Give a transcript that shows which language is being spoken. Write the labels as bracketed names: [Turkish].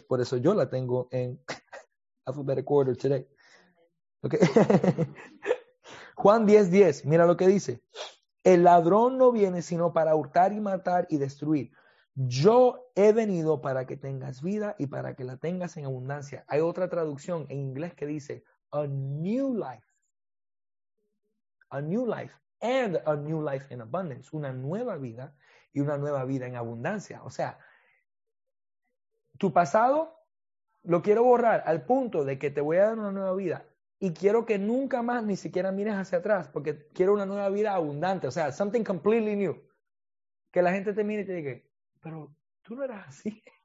[Spanish] Por eso yo la tengo en [English] alphabetical order today. [Spanish] Okay. Juan 10, 10. Mira lo que dice. El ladrón no viene sino para hurtar y matar y destruir. Yo he venido para que tengas vida y para que la tengas en abundancia. Hay otra traducción en inglés que dice [English] a new life. A new life and a new life in abundance. [Spanish] Una nueva vida y una nueva vida en abundancia. O sea, tu pasado lo quiero borrar al punto de que te voy a dar una nueva vida y quiero que nunca más ni siquiera mires hacia atrás porque quiero una nueva vida abundante. O sea, [English] something completely new. [Spanish] Que la gente te mire y te diga, pero tú no eras así.